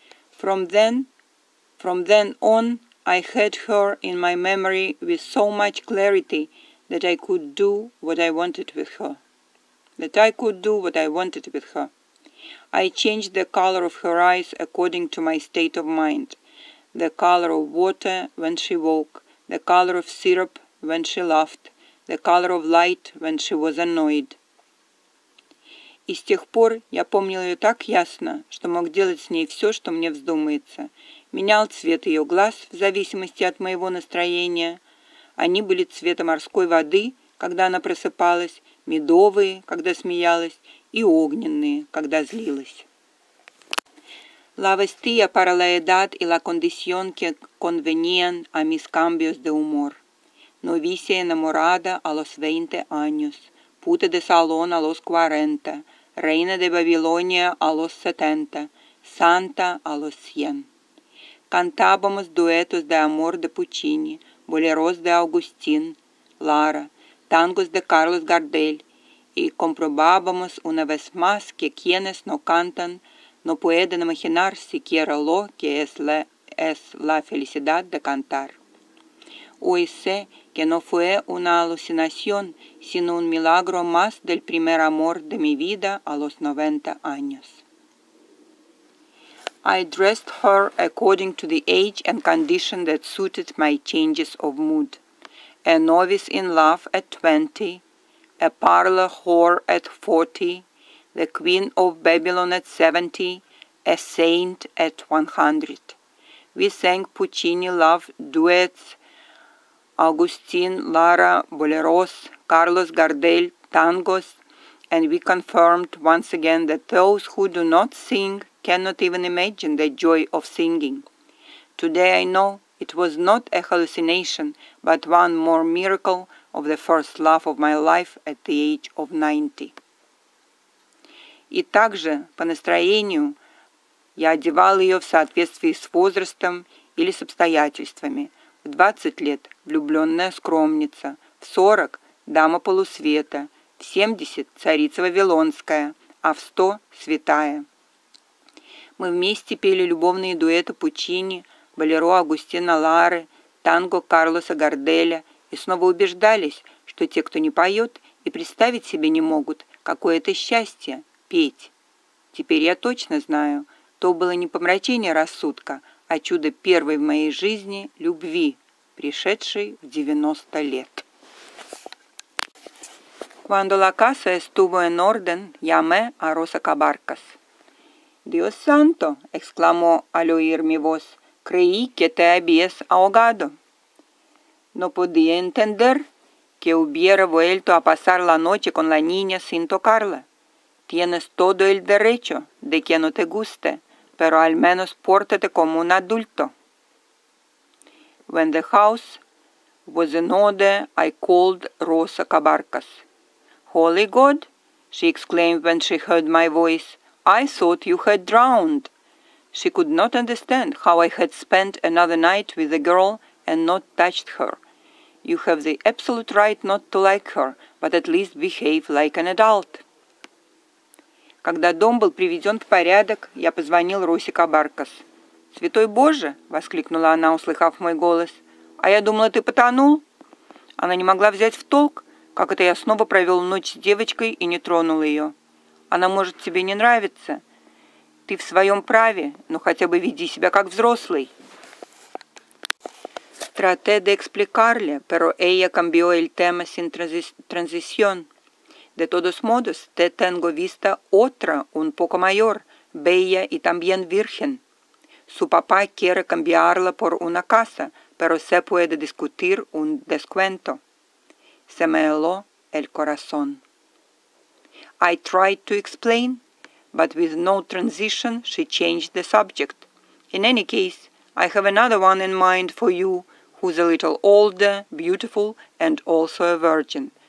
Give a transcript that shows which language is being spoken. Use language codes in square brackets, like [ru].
[en] From then on, I had her in my memory with so much clarity that I could do what I wanted with her. I changed the color of her eyes according to my state of mind. The color of water when she woke, the color of syrup when she laughed, the color of light when she was annoyed. [ru] И с тех пор я помнил ее так ясно, что мог делать с ней все, что мне вздумается. Менял цвет ее глаз в зависимости от моего настроения. Они были цвета морской воды, когда она просыпалась, медовые, когда смеялась, и огненные, когда злилась. [es] La vestía para la edad y la condición que convenían a mis cambios de humor. Novicia enamorada a los 20 años, puta de salón a los 40, reina de Babilonia a los 70, santa a los 100. Cantábamos duetos de amor de Puccini, boleros de Agustín, Lara, tangos de Carlos Gardel, y comprobábamos una vez más que quienes no cantan no pueden imaginar siquiera lo que es la es la felicidad de cantar. Hoy sé que no fue una alucinación, sino un milagro más del primer amor de mi vida a los 90 años. [en] I dressed her according to the age and condition that suited my changes of mood. A novice in love at 20, a parlor whore at 40, the queen of Babylon at 70, a saint at 100. We sang Puccini love duets, Augustine, Lara, Boleros, Carlos Gardel, tangos, and we confirmed once again that those who do not sing cannot even imagine the joy of singing. Today I know it was not a hallucination, but one more miracle of the first love of my life at the age of 90. [ru] И также по настроению я одевал ее в соответствии с возрастом или с обстоятельствами. В 20 лет – влюбленная скромница, в 40 – дама полусвета, в 70 – царица Вавилонская, а в 100 – святая. Мы вместе пели любовные дуэты Пуччини, Болеро Агустина Лары, танго Карлоса Гарделя и снова убеждались, что те, кто не поет и представить себе не могут, какое это счастье – петь. Теперь я точно знаю, то было не помрачение рассудка, а чудо первой в моей жизни – любви, пришедшей в 90 лет. [es] Cuando la casa estuvo en orden, llamé a Rosa Cabarcas. «Dios santo!» – exclamó al oír mi voz. «Creí que te habías ahogado». No podía entender que hubiera vuelto a pasar la noche con la niña sin tocarla. «Tienes todo el derecho de que no te guste». Pero al menos pórtate como un adulto. [en] When the house was in order, I called Rosa Cabarcas. Holy God, she exclaimed when she heard my voice, I thought you had drowned. She could not understand how I had spent another night with the girl and not touched her. You have the absolute right not to like her, but at least behave like an adult. [ru] Когда дом был приведен в порядок, я позвонил Росе Кабаркас. «Святой Боже!» – воскликнула она, услыхав мой голос. «А я думала, ты потонул!» Она не могла взять в толк, как это я снова провел ночь с девочкой и не тронул ее. «Она может тебе не нравиться. Ты в своем праве, но хотя бы веди себя как взрослый». [es] «Traté de explicarle, pero ella cambió el tema sin transición». De todos modos, te tengo vista otra un poco mayor, bella y también virgen. Su papá quiere cambiarla por una casa, pero se puede discutir un descuento. Se me heló el corazón. [en] I tried to explain, but with no transition, she changed the subject. In any case, I have another one in mind for you, who's a little older, beautiful, and also a virgin.